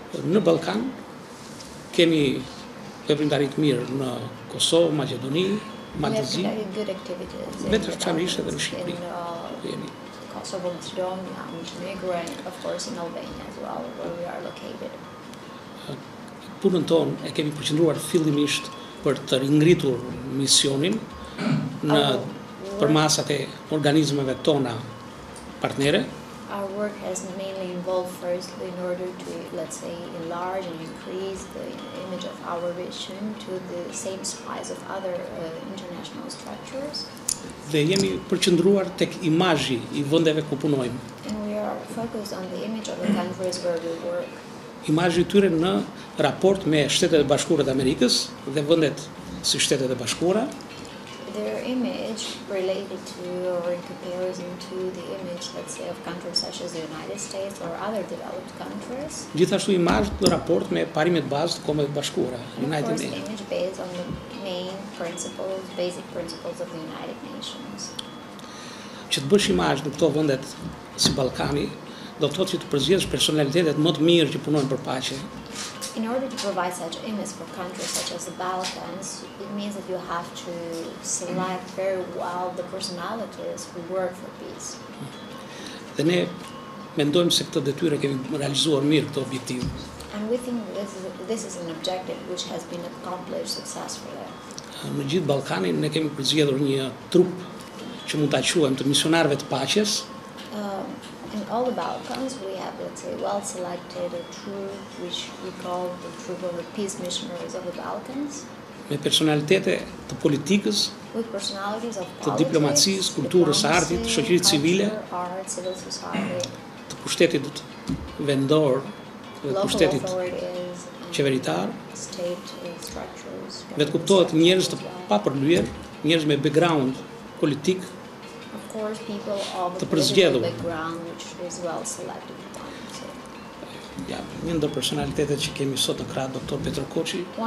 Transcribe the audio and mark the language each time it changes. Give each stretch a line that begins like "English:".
Albanian: Në Ballkan kemi veprimtari të mirë në Kosovë, Maqedoni, Maltëzi. Me të çamrisht edhe në Shqipëri.
English: Jemi Kosovo, Macedonia, Montenegro and of course in Albania as well where we are located.
Albanian: Punën tonë e kemi përqendruar fillimisht për të ringritur misionin në përmasat e organizmeve tona partnere.
English: Our work has mainly involved firstly in order to, let's say, enlarge and increase the image of our vision to the same size of other international structures.
Albanian: Dhe jemi përqendruar tek imazhi i vendeve ku punojmë.
English: And we are focused on the image of the countries where we work.
Albanian: Imazhi tyre në raport me Shtetet e Bashkuara të Amerikës dhe vendet si Shtetet e Bashkuara.
English: Their image related to or in comparison to the image, let's say, of countries such as the United States or other developed countries.
Albanian: Gjithashtu imazhi në raport me parimet bazë të Kombeve të Bashkuara,
English: United Nations. The image based on the main principles, basic principles of the United Nations.
Albanian: Që të bësh imazh në këto vendet si Ballkani, do të thotë që të përzgjedhësh personalitetet më të mirë që punojnë për paqe.
English: In order to provide such image for countries such as the Balkans, it means that you have to select very well the personalities who work for peace.
Albanian: Dhe ne mendojmë se këtë detyrë kemi realizuar mirë këtë objektiv.
English: And we think this is an objective which has been accomplished successfully.
Albanian: Në gjithë Ballkanin ne kemi përzgjedhur një trup që mund ta quajmë të misionarëve të paqes.
English: In all the Balkans, we have, let's say, well-selected a troop, which we call the troop of the peace missionaries of the Balkans.
Albanian: Me personalitete të politikës,
English: with personalities of politics,
Albanian: të diplomacisë, kulturës, artit, shoqërisë civile,
English: art, civil society,
Albanian: të pushtetit vendor, dhe pushtetit qeveritar, dhe të kuptohet njerëz të papërblyer, njerëz me background politik,
English: of course, people of the political background, which is well selected.
Albanian: Ja, një ndër personalitetet që kemi sot në krah, doktor Petro Koçi,